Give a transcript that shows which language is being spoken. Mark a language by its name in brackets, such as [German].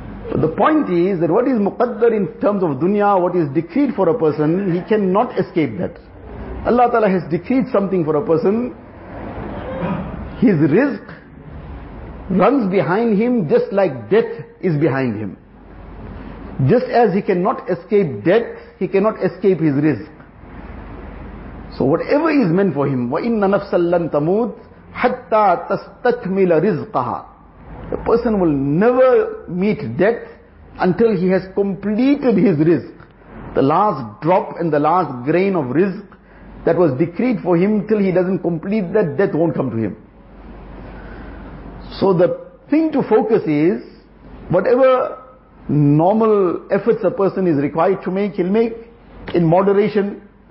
[English] But the point is that what is muqaddar in terms of dunya, what is decreed for a person, he cannot escape that. Allah Ta'ala has decreed something for a person. His rizq runs behind him just like death is behind him. Just as he cannot escape death, he cannot escape his rizq. So whatever is meant for him, [Arabic] وَإِنَّ نَفْسًا لَنْ تَمُوتْ حَتَّى تَسْتَكْمِلَ رِزْقَهَا. [English] The person will never meet death until he has completed his rizq. The last drop and the last grain of rizq that was decreed for him, till he doesn't complete that, death won't come to him. So the thing to focus is, whatever normal efforts a person is required to make, he'll make in moderation.